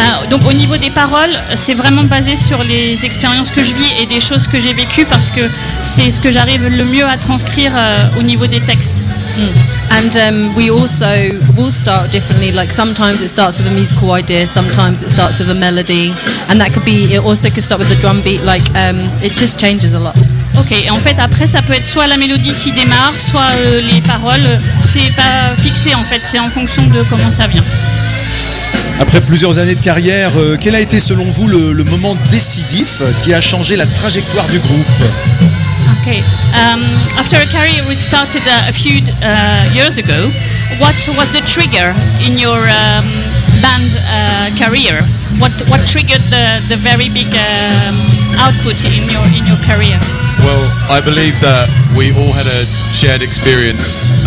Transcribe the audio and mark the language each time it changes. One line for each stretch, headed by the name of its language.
French: Donc au niveau des paroles, c'est vraiment basé sur les expériences que je vis et des choses que j'ai vécues parce que c'est ce que j'arrive le mieux à transcrire au niveau des textes.
English: And we also will start differently. Like sometimes it starts with a musical idea, sometimes it starts with a melody, and that could be. It also could start with the drum beat. Like it just changes a lot. Okay.
French: En fait, après, ça peut être soit la mélodie qui démarre, soit les paroles. C'est pas fixé. En fait, c'est en fonction de comment ça vient. Après plusieurs années de carrière, quel a été selon vous le moment décisif qui a changé la trajectoire du groupe? Okay.
English: After a career which started a few years ago, what was the trigger in your band career? What triggered the very big output in your career? Well, I believe that we all had a shared experience.